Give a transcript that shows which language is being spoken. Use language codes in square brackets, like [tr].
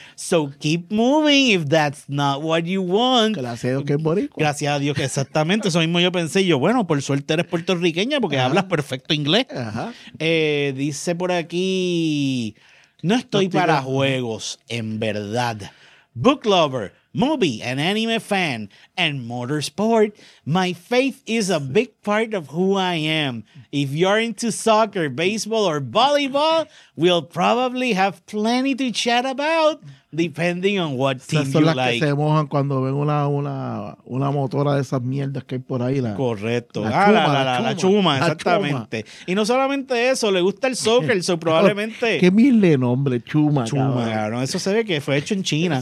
[en] So keep moving if that's not what you want. [es] Gracias a Dios que es boricua. Gracias a Dios que exactamente. Eso mismo yo pensé. Yo, bueno, por suerte eres puertorriqueña porque hablas perfecto inglés. Ajá. Dice por aquí, no estoy para juegos, en verdad. [en] Book lover, movie and anime fan, and motorsport. My faith is a big part of who I am. If you're into soccer, baseball, or volleyball, we'll probably have plenty to chat about. Depending on what team you like. [es] Son las que se mojan cuando ven una motora de esas mierdas que hay por ahí. Correcto. La chuma, exactamente. Chuma. Y no solamente eso, le gusta el soccer, so probablemente... ¿Qué mil de nombre? Chuma, cabrón. Eso se ve que fue hecho en China.